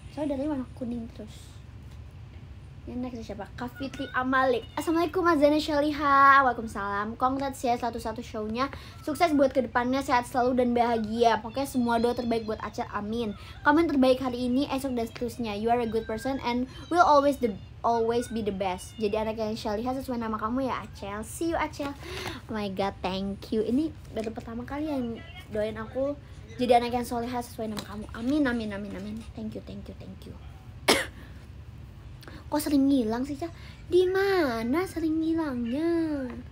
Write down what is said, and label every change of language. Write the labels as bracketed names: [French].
[Indonesian] Soalnya dari warna kuning terus. Yang next siapa? Kafitri Amalik. Assalamualaikum Azana Shaliha. Waalaikumsalam. Congrats ya 101 show-nya. Sukses buat kedepannya, sehat selalu dan bahagia. Pokoknya semua doa terbaik buat Acel, amin. Komen terbaik hari ini, esok dan seterusnya. [English] You are a good person and will always be the best. [Indonesian] Jadi anak yang Shaliha sesuai nama kamu ya Acel. [English] See you Acel. Oh my god, thank you. [Indonesian] Ini baru pertama kali yang doain aku jadi anak yang soleha sesuai nama kamu. Amin, amin, amin, amin. [English] Thank you. [Indonesian] Kok sering ngilang sih, Cah? Di mana sering ngilangnya?